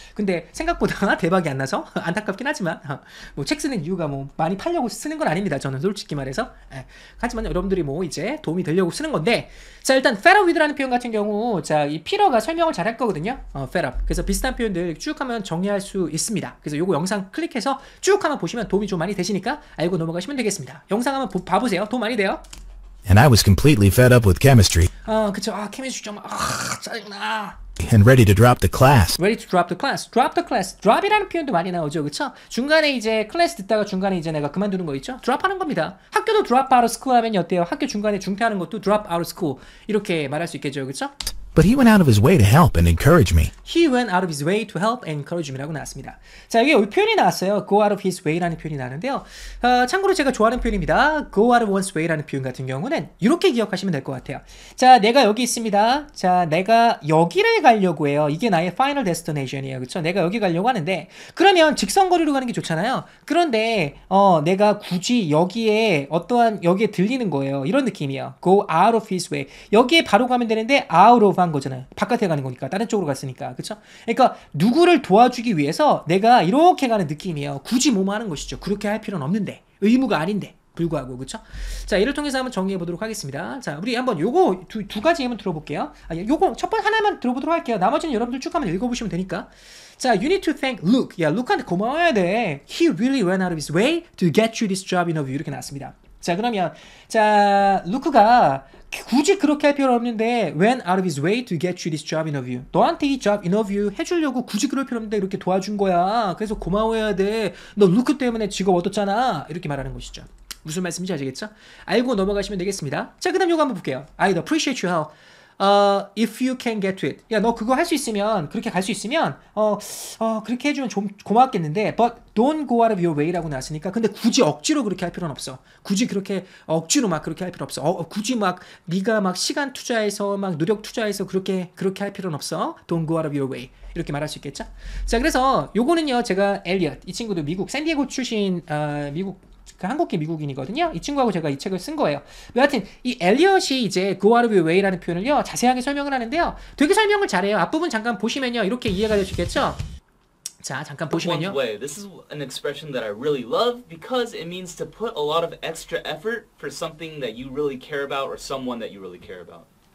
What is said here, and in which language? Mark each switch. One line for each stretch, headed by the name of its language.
Korean: 근데 생각보다 대박이 안 나서 안타깝긴 하지만 뭐 책 쓰는 이유가 뭐 많이 팔려고 쓰는 건 아닙니다. 저는 솔직히 말해서. 하지만 여러분들이 뭐 이제 도움이 되려고 쓰는 건데 자, 일단
English: fed up with
Korean: 라는 표현 같은 경우 자, 이 피러가 설명을 잘할 거거든요.
English: fed up.
Korean: 그래서 비슷한 표현들 쭉 하면 정리할 수 있습니다. 그래서 요거 영상 클릭해서 쭉 한번 보시면 도움이 좀 많이 되시니까 알고 넘어가시면 되겠습니다. 영상 한번 봐보세요. 돈 많이 돼요.
English: And I was completely fed up with chemistry.
Korean: 그렇죠. 케미스트리 정말 짜증나.
English: And ready to drop the class. Ready to drop the class. Drop the class.
Korean: Drop이라는 표현도 많이 나오죠. 그렇죠? 중간에 이제 클래스 듣다가 중간에 이제 내가 그만두는 거 있죠? Drop하는 겁니다. 학교도
English: drop out of school
Korean: 하면 어때요? 학교 중간에 중퇴하는 것도 drop out of school. 이렇게 말할 수 있겠죠. 그렇죠?
English: But he went out of his way to help and encourage me. He went out of his way to help and encourage me
Korean: 라고 나왔습니다. 자, 여기 표현이 나왔어요.
English: Go out of his way
Korean: 라는 표현이 나왔는데요. 참고로 제가 좋아하는 표현입니다.
English: Go out of one's way
Korean: 라는 표현 같은 경우는 이렇게 기억하시면 될 것 같아요. 자, 내가 여기 있습니다. 자, 내가 여기를 가려고 해요. 이게 나의 final destination이에요. 그렇죠? 내가 여기 가려고 하는데 그러면 직선거리로 가는 게 좋잖아요. 그런데 내가 굳이 여기에 어떠한 여기에 들리는 거예요. 이런 느낌이에요.
English: Go out of his way.
Korean: 여기에 바로 가면 되는데 out of 한 거잖아요. 바깥에 가는 거니까 다른 쪽으로 갔으니까 그렇죠? 그러니까 누구를 도와주기 위해서 내가 이렇게 가는 느낌이에요. 굳이 뭐 하는 것이죠. 그렇게 할 필요는 없는데 의무가 아닌데 불구하고 그렇죠? 자, 이를 통해서 한번 정리해 보도록 하겠습니다. 자, 우리 한번 요거 두 가지 예문 들어볼게요. 요거 첫 번 하나만 들어보도록 할게요. 나머지는 여러분들 쭉 한번 읽어보시면 되니까. 자,
English: you need to thank Luke.
Korean: 야, 루크한테 고마워야 돼.
English: He really went out of his way to get you this job interview.
Korean: 이렇게 나왔습니다. 자, 그러면 자 루크가 굳이 그렇게 할 필요는 없는데
English: went out of his way to get you this job interview.
Korean: 너한테 이
English: job interview
Korean: 해주려고 굳이 그럴 필요 없는데 이렇게 도와준 거야. 그래서 고마워해야 돼. 너 루크 때문에 직업 얻었잖아. 이렇게 말하는 것이죠. 무슨 말씀인지 아시겠죠? 알고 넘어가시면 되겠습니다. 자, 그 다음 이거 한번 볼게요.
English: I'd appreciate your help. If you can get to it.
Korean: 야, 너 그거 할 수 있으면, 그렇게 갈 수 있으면 그렇게 해주면 좀 고맙겠는데
English: but don't go out of your way
Korean: 라고 나왔으니까 근데 굳이 억지로 그렇게 할 필요는 없어. 굳이 그렇게 억지로 막 그렇게 할 필요 없어. 굳이 막 네가 막 시간 투자해서 막 노력 투자해서 그렇게 할 필요는 없어.
English: Don't go out of your way. 이렇게 말할 수 있겠죠?
Korean: 자, 그래서 요거는요 제가 엘리엇 이 친구도 미국 샌디에고 출신 미국 그 한국계 미국인이거든요. 이 친구하고 제가 이 책을 쓴 거예요. 여하튼 이 엘리엇이 이제
English: go out of your way
Korean: 라는 표현을요 자세하게 설명을 하는데요 되게 설명을 잘해요. 앞부분 잠깐 보시면요 이렇게 이해가 될 수 있겠죠. 자, 잠깐 보시면요.
English: This is an expression that I really love because it means to put a lot of extra effort for something that you really care about or someone that you really care about.